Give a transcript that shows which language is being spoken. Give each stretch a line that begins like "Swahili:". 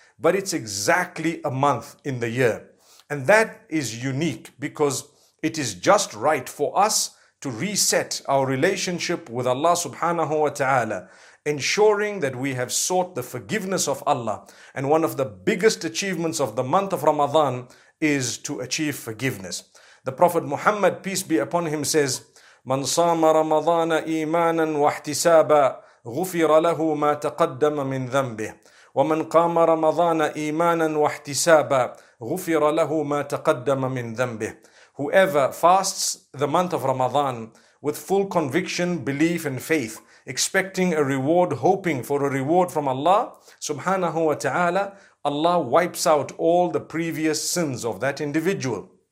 English: But it's exactly a month in the year. And that is unique because it is just right for us to reset our relationship with Allah subhanahu wa ta'ala, ensuring that we have sought the forgiveness of Allah. And one of the biggest achievements of the month of Ramadan is to achieve forgiveness. The Prophet Muhammad, peace be upon him, says,
Arabic: مَنْ صَامَ رَمَضَانَ إِيمَانًا وَاحْتِسَابًا غُفِرَ لَهُ مَا تَقَدَّمَ مِنْ ذَنْبِهِ وَمَنْ قَامَ رَمَضَانَ إِيمَانًا وَاحْتِسَابًا غُفِرَ لَهُ مَا تَقَدَّمَ مِنْ ذَنْبِهِ.
English: Whoever fasts the month of Ramadan with full conviction, belief and faith, expecting a reward, hoping for a reward from Allah subhanahu wa ta'ala, Allah wipes out all the previous sins of that individual.